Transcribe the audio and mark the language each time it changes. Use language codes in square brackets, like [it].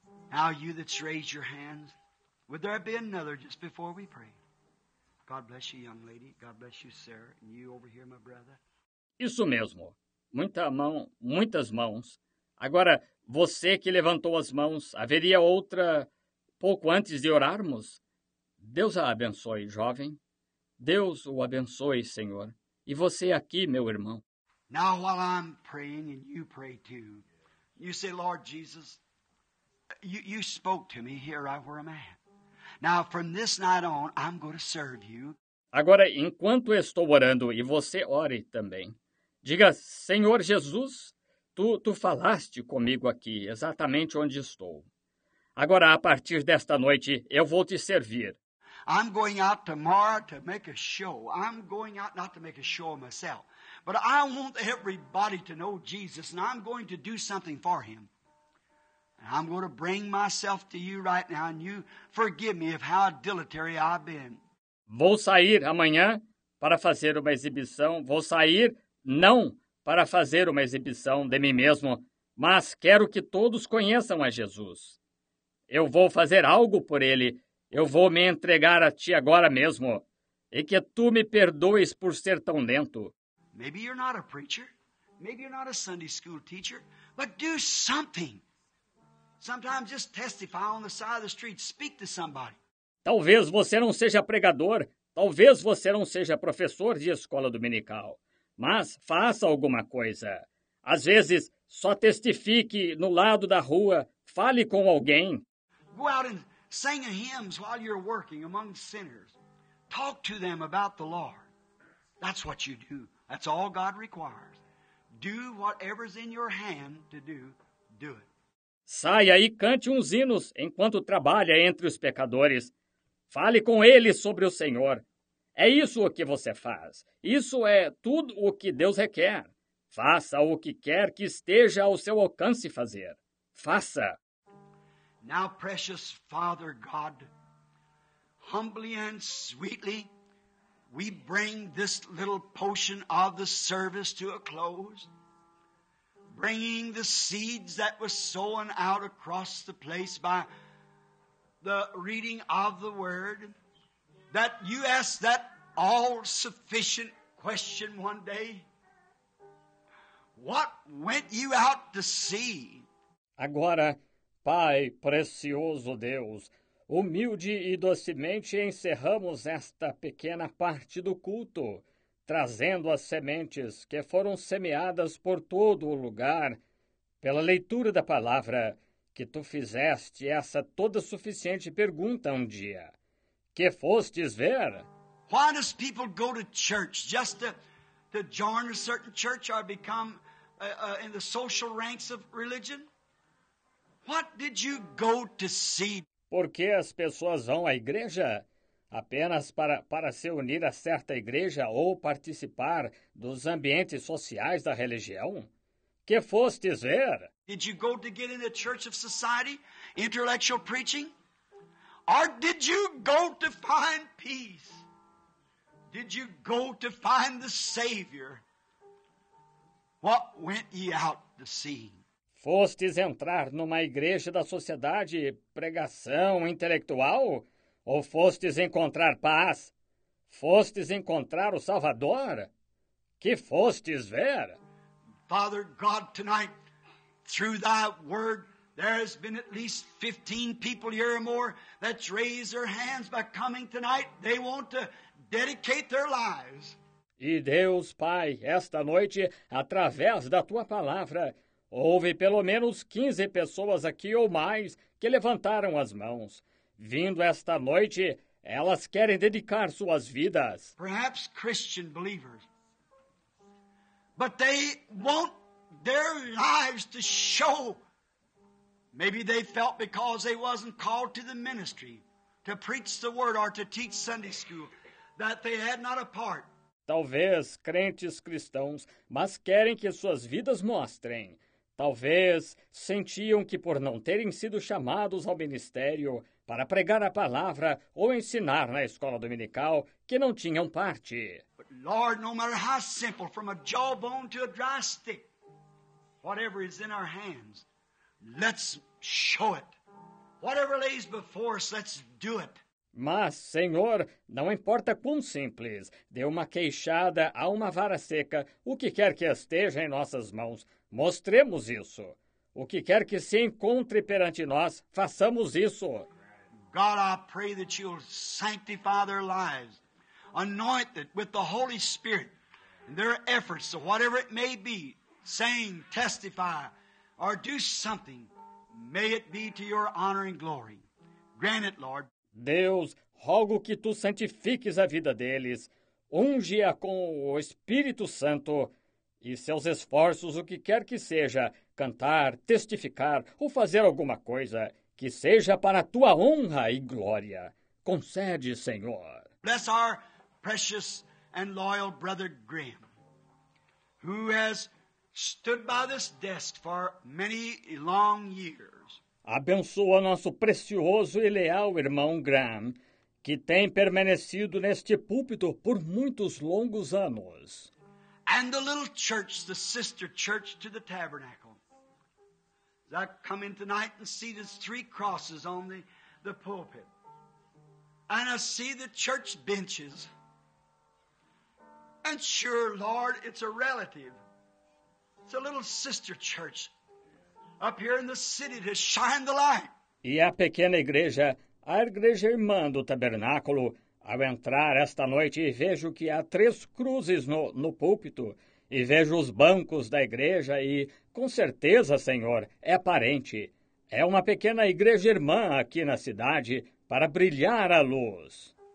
[en] Now you that's raised your hands, would there be another just before we pray? God bless you, young lady. God bless you, sir. And you over here, my brother. [pt] Isso mesmo. Muita mão, muitas mãos. Agora, você que levantou as mãos, haveria outra pouco antes de orarmos? Deus a abençoe, jovem. Deus o abençoe, Senhor. E você aqui, meu irmão. [en] Now, while I'm praying and you pray too, you say, Lord Jesus, you spoke to me here right where I'm at. Now, from this night on, I'm going to serve you. [pt] Agora, enquanto estou orando e você ore também, diga, Senhor Jesus, tu falaste comigo aqui, exatamente onde estou. Agora, a partir desta noite, eu vou te servir. [en] I'm going out tomorrow to make a show. I'm going out not to make a show of myself, but I want everybody to know Jesus, and I'm going to do something for him. And I'm going to bring myself to you right now, and you forgive me of how dilatory I've been. [pt] Vou sair amanhã para fazer uma exibição. Vou sair... Não para fazer uma exibição de mim mesmo, mas quero que todos conheçam a Jesus. Eu vou fazer algo por ele. Eu vou me entregar a ti agora mesmo. E que tu me perdoes por ser tão lento. [en] Maybe you're not a preacher. Maybe you're not a Sunday school teacher. But do something. Sometimes just testify on the side of the street. Speak to somebody. [pt] Talvez você não seja pregador. Talvez você não seja professor de escola dominical. Mas faça alguma coisa. Às vezes, só testifique no lado da rua. Fale com alguém. [en] Go out and sing hymns while you're working among sinners. Talk to them about the Lord. That's what you do. That's all God requires. Do whatever's in your hand to do, do it. [pt] Saia e cante uns hinos enquanto trabalha entre os pecadores. Fale com eles sobre o Senhor. É isso o que você faz. Isso é tudo o que Deus requer. Faça o que quer que esteja ao seu alcance fazer. Faça. [en] Now, precious Father God, humbly and sweetly, we bring this little portion of the service to a close, bringing the seeds that were sown out across the place by the reading of the Word, that you asked that all-sufficient question one day. What went you out to see? [pt] Agora, Pai, precioso Deus, humilde e docemente encerramos esta pequena parte do culto, trazendo as sementes que foram semeadas por todo o lugar, pela leitura da palavra que tu fizeste essa toda suficiente pergunta um dia. Que fostes ver? [en] Why does people go to church just to join a certain church or become in the social ranks of religion? What did you go to see? [pt] Por que as pessoas vão à igreja? Apenas para se unir a certa igreja ou participar dos ambientes sociais da religião? Que fostes ver? [en] Did you go to get in the church of society, intellectual preaching? Or did you go to find peace? Did you go to find the Savior? What went ye out to see? [pt] Fostes entrar numa igreja da sociedade, pregação intelectual? Ou fostes encontrar paz? Fostes encontrar o Salvador? Que fostes ver? [en] Father God, tonight, through thy word, there has been at least 15 people here or more that's raised their hands by coming tonight. They want to dedicate their lives. [pt] E Deus, Pai, esta noite, através da tua palavra, houve pelo menos 15 pessoas aqui ou mais que levantaram as mãos. Vindo esta noite, elas querem dedicar suas vidas. [en] Perhaps Christian believers. But they want their lives to show. Maybe they felt because they wasn't called to the ministry, to preach the word or to teach Sunday school, that they had not a part. [pt] Talvez crentes cristãos, mas querem que suas vidas mostrem. Talvez sentiam que por não terem sido chamados ao ministério para pregar a palavra ou ensinar na escola dominical, que não tinham parte. [en] But Lord, no matter how simple, from a jawbone to a dry stick, whatever is in our hands, let's show it. Whatever lays before us, let's do it. [pt] Mas, Senhor, não importa quão simples, dê uma queixada a uma vara seca, o que quer que esteja em nossas mãos, mostremos isso. O que quer que se encontre perante nós, façamos isso. [en] God, I pray that you'll sanctify their lives, anoint it with the Holy Spirit, and their efforts, so whatever it may be, saying, testify, or do something, may it be to your honor and glory. Grant it, Lord. [pt] Deus, rogo que tu santifiques a vida deles, unge-a com o Espírito Santo e seus esforços, o que quer que seja, cantar, testificar ou fazer alguma coisa, que seja para a tua honra e glória. Concede, Senhor. [en] Bless our precious and loyal brother Graham, who has stood by this desk for many long years. [pt] Abençoa nosso precioso e leal irmão Graham, que tem permanecido neste púlpito por muitos longos anos. [en] And the little church, the sister church to the tabernacle. I come in tonight and see the three crosses on the pulpit. And I see the church benches. And sure, Lord, it's a relative. It's a little sister church. Up here in the city to shine the light. [pt] E a pequena igreja, a igreja irmã do tabernáculo, ao entrar esta noite e vejo que há três cruzes no púlpito, e vejo os bancos da igreja e, com certeza, Senhor, é parente. É uma pequena igreja irmã aqui na cidade para brilhar a luz.